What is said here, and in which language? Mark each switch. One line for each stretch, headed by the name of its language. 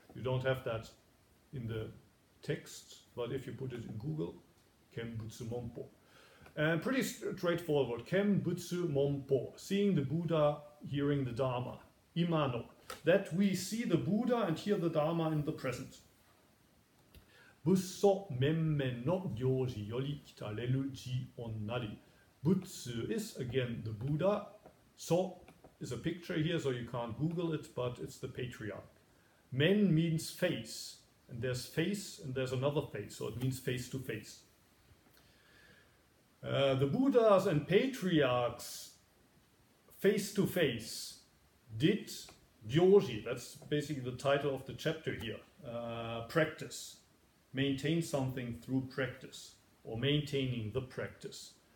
English: You don't have that in the text, but if you put it in Google, kenbutsu monpo. And pretty straightforward, kenbutsu monpo, seeing the Buddha, hearing the Dharma, imano, that we see the Buddha and hear the Dharma in the present.
Japanese: 仏祖面々の行持よりきたれる慈恩なり。
English: Butsu is again the Buddha. So is a picture here, so you can't Google it, but it's the patriarch. Men means face, and there's face and there's another face, so it means face to face. The Buddhas and patriarchs face to face did Gyoji, that's basically the title of the chapter here, practice, maintain something through practice, or maintaining the practice.